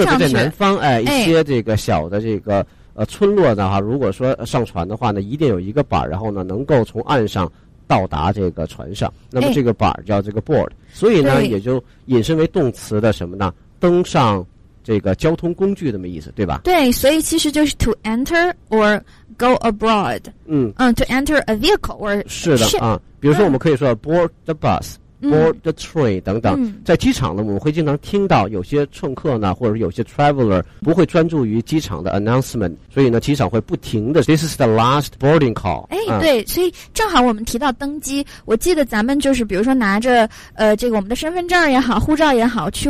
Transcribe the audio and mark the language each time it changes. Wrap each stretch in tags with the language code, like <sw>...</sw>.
<zh>对，特别在南方，一些这个小的这个村落的话，如果说上船的话呢，一定有一个板，然后呢能够从岸上到达这个船上。那么这个板叫这个 board，所以呢也就引申为动词的什么呢？登上。这个交通工具这么意思对吧？对，所以其实就是</zh> <en>to enter or go abroad。 to enter a vehicle or</en> <zh>是的啊，比如说我们可以说</zh> <en>board the bus、board the train</en> <zh>等等。在机场呢我们会经常听到有些乘客呢或者有些 traveler 不会专注于机场的 announcement， 所以呢机场会不停的</zh> <en>this is the last boarding call。</en> <zh>对，所以正好我们提到登机，我记得咱们就是比如说拿着这个我们的身份证也好护照也好去</zh>